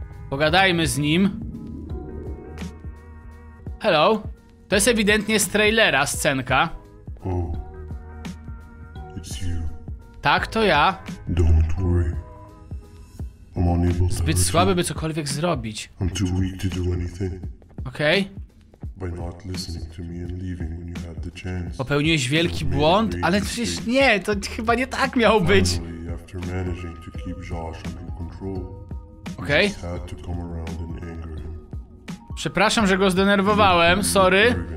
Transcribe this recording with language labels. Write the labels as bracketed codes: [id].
[pl] Pogadajmy z nim. [en] Hello? [pl] To jest ewidentnie z trailera scenka. [en] Oh. It's you. [pl] Tak, to ja. [en] Don't worry. I'm unable to [pl] zbyt słaby, by cokolwiek zrobić. [en] I'm too weak to do anything. [pl] Okej. [en] By not listening to me and leaving when you had the chance. [pl] Popełniłeś wielki błąd, ale przecież nie, to chyba nie tak miało być. [en] Finally, after managing to keep Josh under control, okay. I just had to come around and anger him. [pl] Przepraszam, że go zdenerwowałem, sorry.